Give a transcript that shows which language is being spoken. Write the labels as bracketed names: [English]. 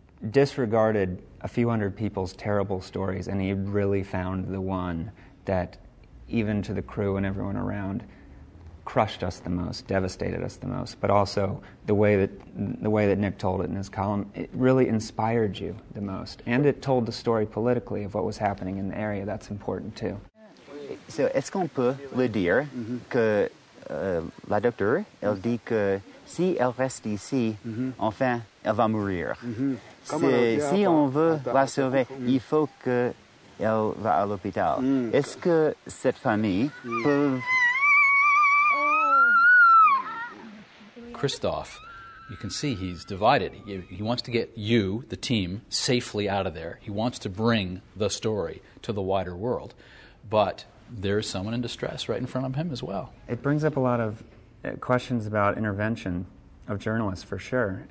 [English] disregarded a few hundred people's terrible stories, and he really found the one that, even to the crew and everyone around, crushed us the most, devastated us the most. But also the way that Nick told it in his column, it really inspired you the most, and it told the story politically of what was happening in the area. That's important too. [French] So, est-ce qu'on peut le dire que la docteur, elle dit que si elle reste ici, enfin, elle va mourir. Si on veut la sauver, il faut qu'elle va à l'hôpital. Est-ce que cette famille peut... [English] Christophe, you can see he's divided. He wants to get you, the team, safely out of there. He wants to bring the story to the wider world. But there's someone in distress right in front of him as well. It brings up a lot of questions about intervention of journalists, for sure.